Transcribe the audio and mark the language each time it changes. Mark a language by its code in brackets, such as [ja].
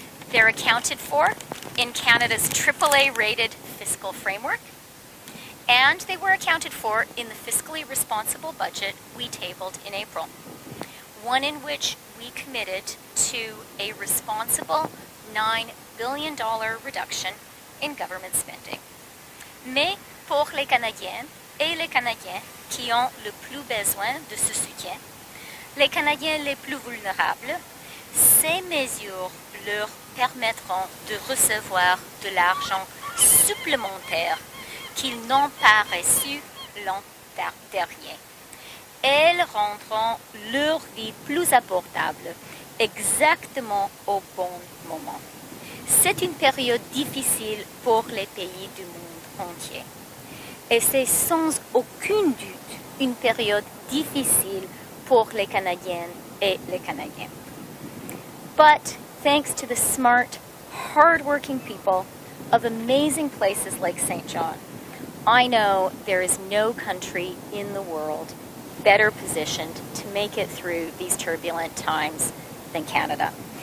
[en] They're accounted for in Canada's AAA-rated fiscal framework, and they were accounted for in the fiscally responsible budget we tabled in April, one in which we committed to a responsible $9 billion reduction in government spending. [fr] Mais pour les Canadiens et les Canadiens qui ont le plus besoin de ce soutien, les Canadiens les plus vulnérables, ces mesures leur permettront de recevoir de l'argent supplémentaire qu'ils n'ont pas reçu l'an dernier. Elles rendront leur vie plus abordable exactement au bon moment. C'est une période difficile pour les pays du monde entier. Et c'est sans aucun doute une période difficile pour les Canadiennes et les Canadiens. [en] But thanks to the smart, hard-working people of amazing places like St. John, I know there is no country in the world better positioned to make it through these turbulent times than Canada.